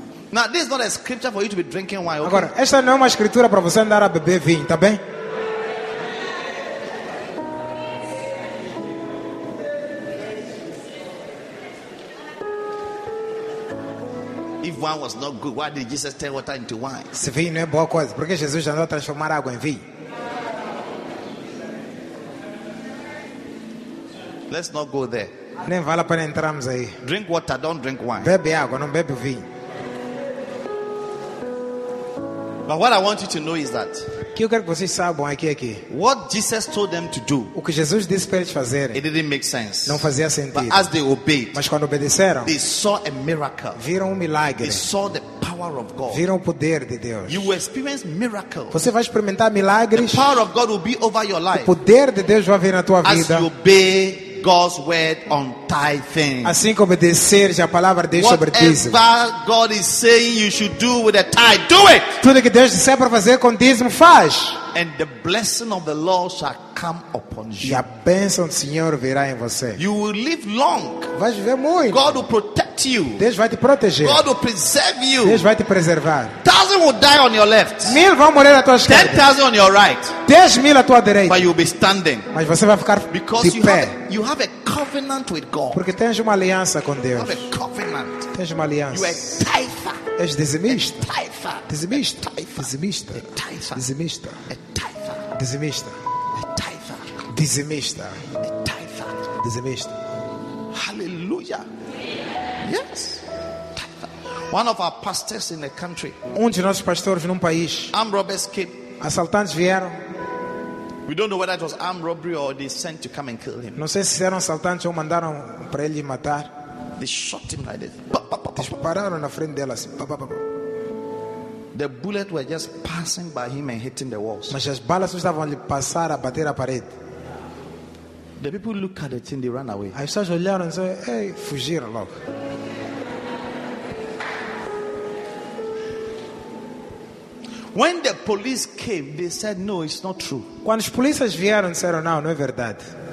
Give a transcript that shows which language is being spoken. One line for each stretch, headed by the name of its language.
English: Now this is not a scripture for you to be drinking wine.
Portuguese: Agora, esta não é uma escritura para você andar a beber vinho, tá bem?
English: Wine was not good. Why did Jesus turn water into wine?
Portuguese: Se vinho não é boa coisa, porque Jesus já não transformou água em vinho?
English: Let's not go there.
Portuguese: Nem vale a pena entrarmos aí.
English: Drink water, don't drink wine.
Portuguese: Bebe água, não bebe vinho.
English: But what I want you to know is that.
Portuguese: Que eu quero que vocês saibam aqui é que.
English: What Jesus told them to do.
Portuguese: O que Jesus disse para eles fazerem.
English: It didn't make sense.
Portuguese: Não fazia sentido.
English: But as they obeyed.
Portuguese: Mas quando obedeceram.
English: They saw a miracle.
Portuguese: Viram um milagre.
English: They saw the power of God.
Portuguese: Viram o poder de Deus.
English: You will experience miracles.
Portuguese: Você vai experimentar milagres.
English: The power of God will be over your life.
Portuguese: O poder de Deus vai vir na tua vida.
English: As you obey God's word on tithing.
Portuguese: Assim como obedeceres a palavra de Deus sobre dízimo.
English: Whatever God is saying you should do with a tithe, do it.
Portuguese: Tudo que Deus disser para fazer com dízimo, faz.
English: And the blessing of the Lord shall come upon you.
Portuguese: E a bênção do Senhor virá em você.
English: You will live long.
Portuguese: Vais viver muito.
English: God will protect you.
Portuguese: Deus vai te proteger.
English: God will preserve you.
Portuguese: Deus vai te preservar.
English: 1,000 will die on your left.
Portuguese: 1,000 vão morrer à tua esquerda.
English: 10,000 on your right.
Portuguese: 10,000 à tua direita.
English: But you'll be standing.
Portuguese: Mas você vai ficar
English: because
Portuguese: de pé.
English: You have a covenant with God.
Portuguese: Porque tens uma aliança com Deus.
English: You have a covenant.
Portuguese: Tens uma aliança.
English: You are a tither.
Portuguese: És dizimista.
English: A tither.
Portuguese: Dizimista.
English: Tither.
Portuguese: Dizimista.
English: Tither.
Portuguese: Dizimista. Dizimista. Dizimista. Dizimista. Dizimista.
English: Hallelujah. Yes. One of our pastors in the country.
Portuguese: Um de nossos pastores num país.
English: Armed robbers came.
Portuguese: Assaltantes vieram.
English: We don't know whether it was armed robbery or they sent to come and kill him.
Portuguese: Não sei se eram assaltantes ou mandaram para ele matar.
English: They shot him like this.
Portuguese: Dispararam na frente dela assim. Pa, pa, pa, pa.
English: The bullets were just passing by him and hitting the walls.
Portuguese: Mas as balas estavam ali passar a bater a parede.
English: The people look at the thing, they ran away.
Portuguese: Aí só olharam e disseram, ei, fugiram logo.
English: When the police came, they said, no, it's not true.
Portuguese: Quando as polícias vieram, disseram, não, não é verdade.